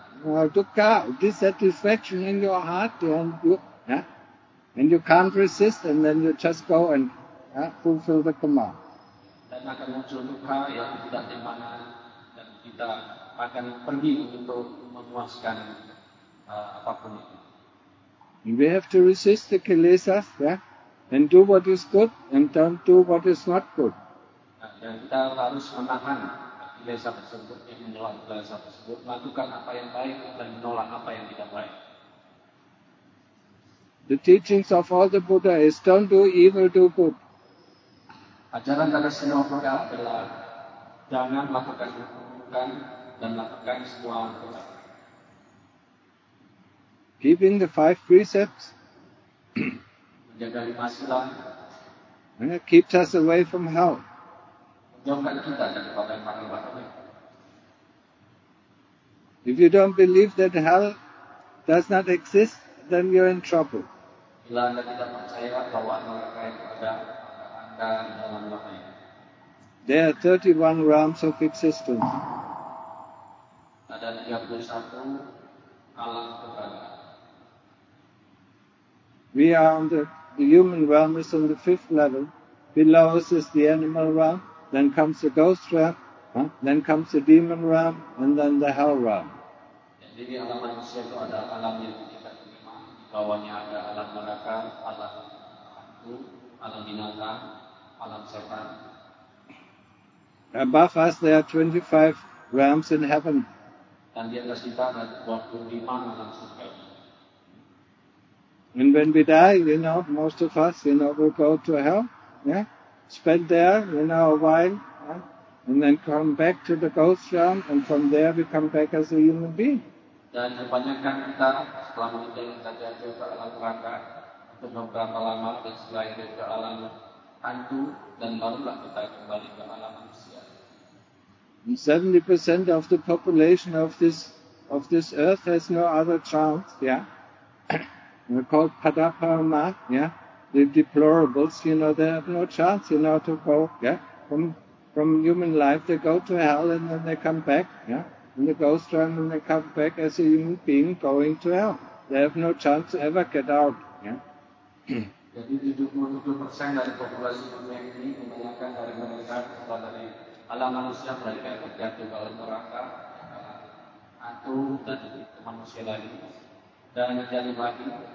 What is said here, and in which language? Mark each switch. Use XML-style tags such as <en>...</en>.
<en>Well, dukkha, dissatisfaction in your heart, and you can't resist, and then you just go and fulfill the command.</en> <id>Dan akan muncul dukkha yang tidak dimana, dan kita akan pergi untuk memuaskan apapun itu.</id> <en>We have to resist the kilesas, and do what is good, and don't do what is not good.</en> <id>Dan kita harus menahan kilesa tersebut, yang menolak kilesa tersebut, melakukan apa yang baik dan menolak apa yang tidak baik.</id> <en>The teachings of all the Buddha is don't do evil, do good.</en> <id>Ajaran dari semua Buddha adalah jangan melakukan keburukan dan melakukan semua dosa.</id> <en>Keeping the five precepts.</en> <id>Menjaga lima sila.</id> <en>And it keeps us away from hell.</en> <id>Menjauhkan kita dari kota yang paling.</id> <en>If you don't believe that hell does not exist, then you're in trouble.</en> <id>Bila Anda tidak percaya bahwa neraka itu ada, Anda dalam bahaya.</id> <en>There are 31 realms of existence.</en> <id>Ada 31 alam keberadaan.</id> <en>We are on the human realm is on the fifth level. Below us is the animal realm, then comes the ghost realm, then comes the demon realm, and then the hell realm.</en> <id>Jadi di alam manusia itu ada alam yang kita terima, di bawahnya ada alam neraka, alam hantu, alam binatang, alam setan.</id> <en>Above us there are 25 realms in heaven.</en> <id>Dan di atas kita ada 25 alam surga.</id> <en>And when we die, you know, most of us, you know, will go to hell, spend there, a while, and then come back to the ghost realm, and from there we come back as a human being.</en> <id>Dan kebanyakan kita setelah meninggalkan jauh ke alam neraka untuk beberapa lama dan setelah itu ke alam hantu dan barulah kita kembali ke alam manusia.</id> <en>70% of the population of this earth has no other chance, They're called Padaparama, the deplorables, they have no chance, to go, from human life, they go to hell and then they come back, and they go strong and they come back as a human being going to hell. They have no chance to ever get out,</en> <id>Jadi 70% dari populasi dunia ini kebanyakan dari mereka, setelah dari alam manusia, mereka terjatuh ke alam neraka, atau dari manusia lagi, dan menjadi lagi,</id>